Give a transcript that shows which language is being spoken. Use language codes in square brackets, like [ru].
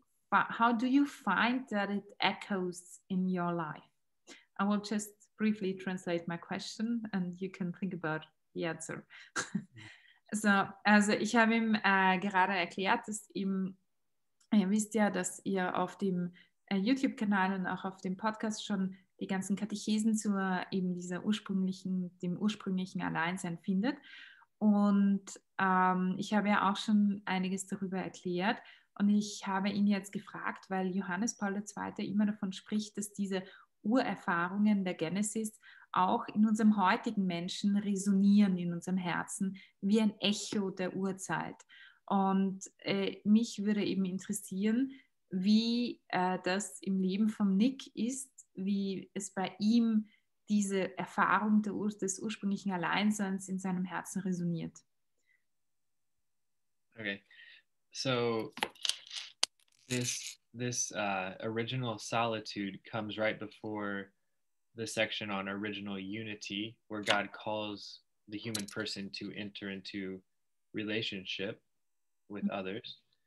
[en] How do you find that it echoes in your life? I will just briefly translate my question and you can think about the answer. [de] also ich habe ihm gerade erklärt, dass ihr wisst ja, dass ihr auf dem YouTube-Kanal und auch auf dem Podcast schon die ganzen Katechesen zu eben dem ursprünglichen Alleinsein findet. Und ich habe ja auch schon einiges darüber erklärt. Und ich habe ihn jetzt gefragt, weil Johannes Paul II. Immer davon spricht, dass diese Urerfahrungen der Genesis auch in unserem heutigen Menschen resonieren, in unserem Herzen, wie ein Echo der Urzeit. Und mich würde eben interessieren, wie das im Leben von Nick ist, wie es bei ihm diese Erfahrung des ursprünglichen Alleinseins in seinem Herzen resoniert. [en] Okay. So this original solitude comes right before the section on original unity, where God calls the human person to enter into relationship with others.